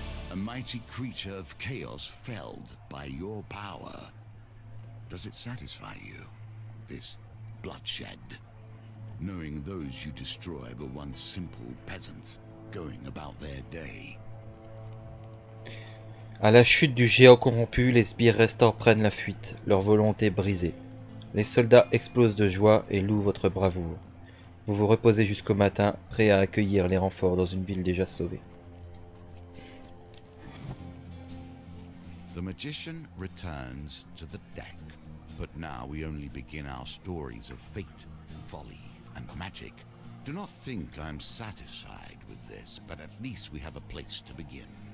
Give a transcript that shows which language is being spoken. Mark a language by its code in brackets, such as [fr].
[en] A mighty creature of chaos felled by your power. Does it satisfy you, this bloodshed? Knowing those you destroy were once simple peasants going about their day. [fr] À la chute du géant corrompu, les sbires restants prennent la fuite, leur volonté brisée. Les soldats explosent de joie et louent votre bravoure. Vous vous reposez jusqu'au matin, prêt à accueillir les renforts dans une ville déjà sauvée. [en] The magician returns to the deck, but now we only begin our stories of fate, folly, and magic. Do not think I'm satisfied with this, but at least we have a place to begin.